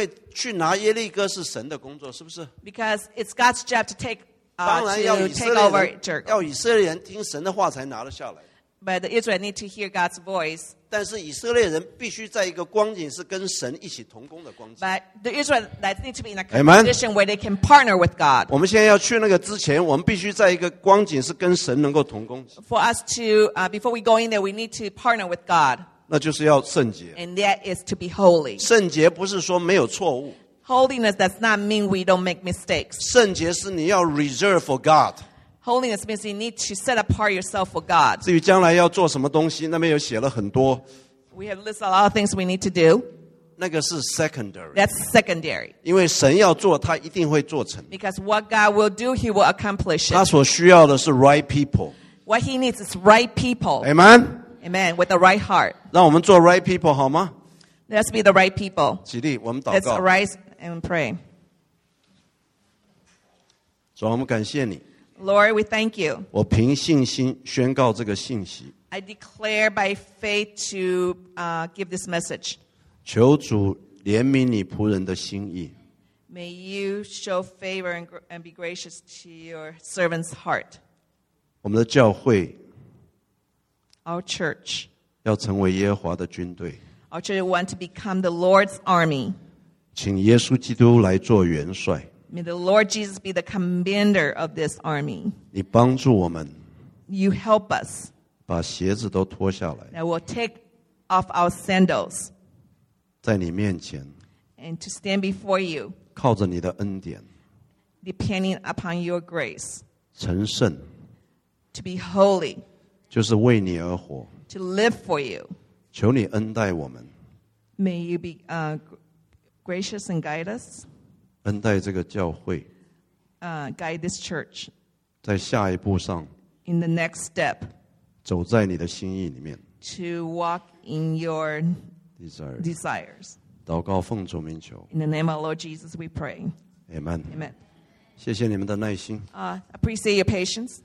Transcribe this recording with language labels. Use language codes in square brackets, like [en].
[en] Because it's God's job to take over Jericho. [zh] 要以色列人听神的话才拿得下来。 [en] But the Israel need to hear God's voice. [zh] 但是以色列人必须在一个光景是跟神一起同工的光景。 [en] But the Israel need to be in a condition、 Amen. Where they can partner with God. [zh] 我们现在要去那个之前，我们必须在一个光景是跟神能够同工。 [en] For us to, before we go in there, we need to partner with God. [zh] 那就是要圣洁。 [en] And that is to be holy. [zh] 圣洁不是说没有错误。 [en] Holiness does not mean we don't make mistakes. [zh] 圣洁是你要 [en] reserve for God. Holiness means you need to set apart yourself for God. [zh] 至于将来要做什么东西，那边有写了很多。 [en] We have listed a lot of things we need to do. [zh] 那个是 secondary. [en] That's secondary. [zh] 因为神要做，他一定会做成。 [en] Because what God will do, He will accomplish it. [zh] 他所需要的是 right people. [en] What He needs is right people. Amen. Amen. With the right heart. [zh] 让我们做 right people 好吗？ [en] Let's be the right people. [zh] 起立，我们祷 [en] 告。Let's arise and pray. [zh] 主，我们感谢你。 [en] Lord, we thank you. [zh] 我凭信心宣告这个信息。 [en] I declare by faith to give this message. [zh] 求主怜悯你仆人的心意。 [en] May you show favor and be gracious to your servant's heart. [zh] 我们的教会。 [en] Our church. [zh] 要成为耶和华的军队。 [en] Our church want to become the Lord's army. [zh] 请耶稣基督来做元帅。 [en] May the Lord Jesus be the commander of this army. [zh] 你帮助我们。 [en] You help us. [zh] 把鞋子都脱下来。 [en] And we'll take off our sandals. [zh] 在你面前。 [en] And to stand before you. [zh] 靠着你的恩典。 [en] Depending upon your grace. [zh] 成圣。 [en] To be holy. [zh] 就是为你而活。 [en] To live for you. [zh] 求你恩待我们。 [en] May you be gracious and guide us. [zh] 恩待这个教会 [en] guide this church [zh] 在下一步上 [en] in the next step [zh] 走在你的心意里面 [en] to walk in your [zh] desires 祷告奉主名求 [en] in the name of Lord Jesus we pray Amen, Amen. [zh] 谢谢你们的耐心 [en] appreciate your patience